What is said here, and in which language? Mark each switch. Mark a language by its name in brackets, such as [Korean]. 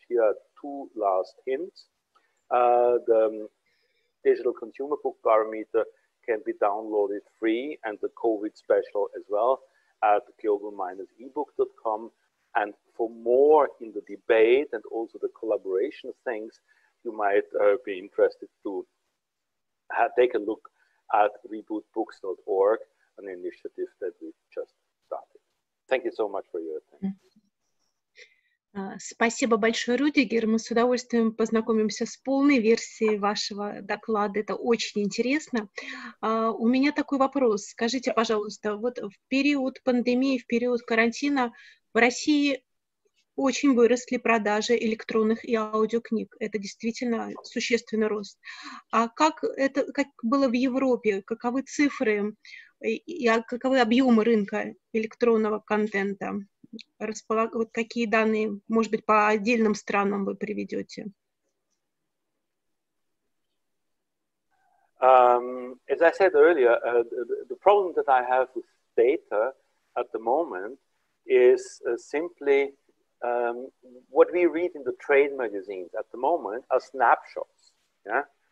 [English] Here are two last hints. The Digital Consumer Book Barometer can be downloaded free, and the COVID special as well at global-ebook.com. And for more in the debate and also the collaboration things, you might be interested to take a look at rebootbooks.org, an initiative that we just started. Thank you so much for your attention. Mm-hmm. [Russian] Спасибо большое, Рудигер. Мы с удовольствием познакомимся с полной версией вашего доклада. Это очень интересно. У меня такой вопрос. Скажите, пожалуйста, вот в период пандемии, в период карантина в России очень выросли продажи электронных и аудиокниг. Это действительно существенный рост. А как это как было в Европе? Каковы цифры и каковы объемы рынка электронного контента? Вот какие данные, может быть, по отдельным странам вы приведете? [English] As I said earlier, the problem that I have with data at the moment is simply what we read in the trade magazines at the moment are snapshots. Yeah?